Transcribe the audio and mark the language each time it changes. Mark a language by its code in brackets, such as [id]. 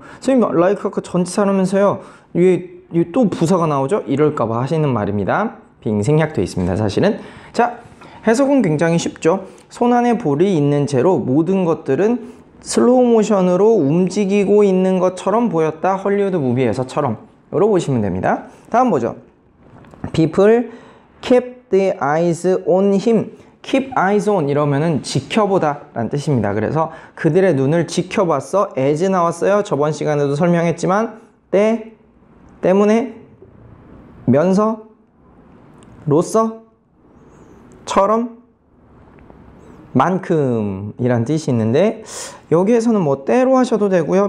[ko] 선생님, like 아까 전치사라면서요. 이게 또 부사가 나오죠? 이럴까봐 하시는 말입니다. 빙 생략돼 있습니다. 사실은. 자, 해석은 굉장히 쉽죠? 손 안에 볼이 있는 채로 모든 것들은 슬로우 모션으로 움직이고 있는 것처럼 보였다. 헐리우드 무비에서처럼. 이러고 보시면 됩니다. 다음 보죠. [en] People kept the eyes on him. Keep eyes on [ko] 이러면은 지켜보다라는 뜻입니다. 그래서 그들의 눈을 지켜봤어. as 나왔어요. 저번 시간에도 설명했지만 때문에 면서 로서 처럼 만큼이란 뜻이 있는데 여기에서는 뭐 때로 하셔도 되고요.